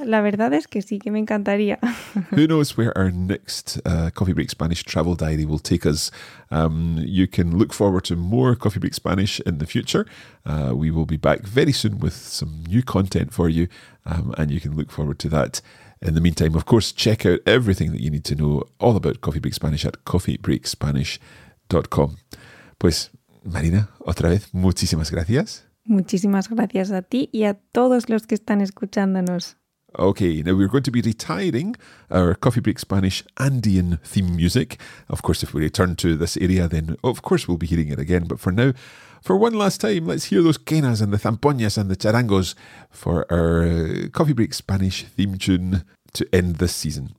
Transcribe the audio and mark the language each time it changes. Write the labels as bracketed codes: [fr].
[es] La verdad es que sí, que me encantaría. [en] Who knows where our next Coffee Break Spanish travel diary will take us. You can look forward to more Coffee Break Spanish in the future. We will be back very soon with some new content for you, and you can look forward to that. In the meantime, of course, check out everything that you need to know all about Coffee Break Spanish at coffeebreakspanish.com. [es] Pues, Marina, otra vez, muchísimas gracias. Muchísimas gracias a ti y a todos los que están escuchándonos. [en] Okay, now we're going to be retiring our Coffee Break Spanish Andean theme music. Of course, if we return to this area, then of course we'll be hearing it again. But for now, for one last time, let's hear those quenas and the zampoñas and the charangos for our Coffee Break Spanish theme tune to end this season.